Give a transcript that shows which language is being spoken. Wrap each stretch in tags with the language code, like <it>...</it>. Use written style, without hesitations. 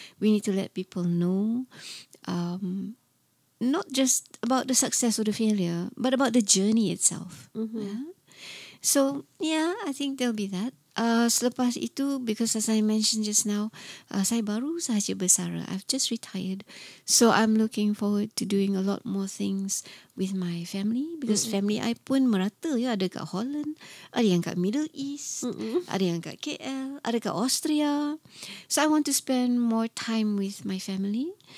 <en>We need to let people know, not just about the success or the failure, but about the journey itself. Mm-hmm. I think there'll be that.</en> <ms>Selepas itu,</ms> <en>because as I mentioned just now,</en> <ms>saya baru sahaja bersara.</ms> <en>I've just retired. So I'm looking forward to doing a lot more things with my family. Because family I</en> <ms>pun merata. Ya, ada kat Holland, ada yang kat Middle East, ada yang kat KL, ada kat Austria.</ms> <en>So I want to spend more time with my family.</en>